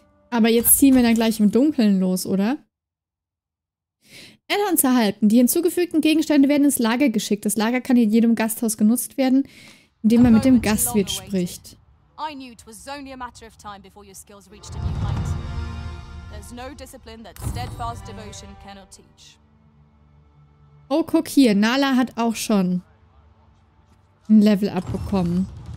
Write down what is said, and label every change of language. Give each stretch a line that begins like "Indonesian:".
German: Aber jetzt ziehen wir dann gleich im Dunkeln los, oder? Addons erhalten. Die hinzugefügten Gegenstände werden ins Lager geschickt. Das Lager kann in jedem Gasthaus genutzt werden, indem man mit dem Gastwirt spricht.
English: I knew it was only a matter of time before your skills reached a new height. There's no discipline that steadfast devotion cannot teach.
German: Oh, guck hier, Nala hat auch schon ein Level abbekommen.